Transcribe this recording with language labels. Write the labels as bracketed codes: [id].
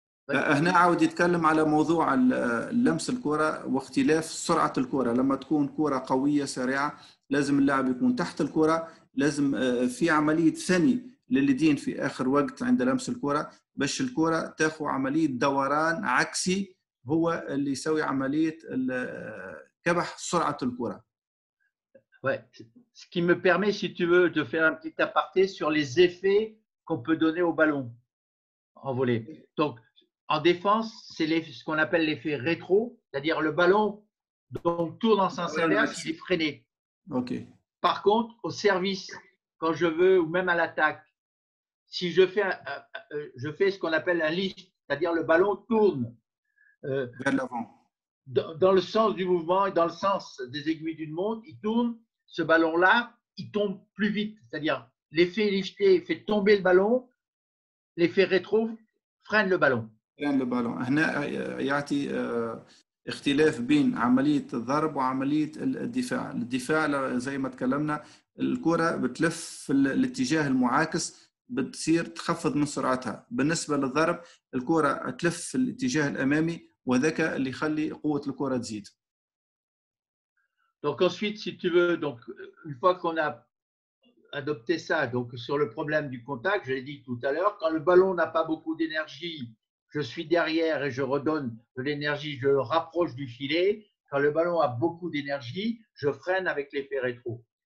[ar] هنا عاود يتكلم على موضوع لمس الكرة واختلاف سرعة الكرة، لما تكون كرة قوية سريعة لازم اللاعب يكون تحت الكرة، لازم في عملية ثني لليدين في آخر وقت عند لمس الكرة باش الكرة تاخو عملية دوران عكسي، هو اللي يسوي عملية كبح سرعة الكرة. [fr] Ce qui me permet, si tu veux, de faire un petit aparté sur les effets qu'on peut donner au ballon envolé. Donc, en défense, c'est ce qu'on appelle l'effet rétro, c'est-à-dire le ballon donc tourne en sens inverse, il est freiné. [en] Okay. [fr] Par contre, au service, quand je veux, ou même à l'attaque, si je fais je fais ce qu'on appelle un lift, c'est-à-dire le ballon tourne vers l'avant. Dans le sens du mouvement et dans le sens des aiguilles d'une montre, il tourne, ce ballon-là, il tombe plus vite. C'est-à-dire l'effet lifté fait tomber le ballon, l'effet rétro freine le ballon. [ar] يعني البالون هنا يعطي اختلاف بين عملية الضرب وعملية الدفاع. الدفاع زي ما تكلمنا الكرة بتلف في الاتجاه المعاكس بتصير تخفض من سرعتها. بالنسبة للضرب الكرة تلف في الاتجاه الأمامي وذاك اللي يخلي قوة الكرة تزيد. [fr] Donc ensuite, si tu veux, donc une fois qu'on a adopté ça, donc sur le problème du contact, je l'ai dit tout à l'heure, quand le ballon n'a pas beaucoup d'énergie, je suis derrière et je redonne de l'énergie, je le rapproche du filet. Quand le ballon a beaucoup d'énergie, je freine avec l'effet rétro.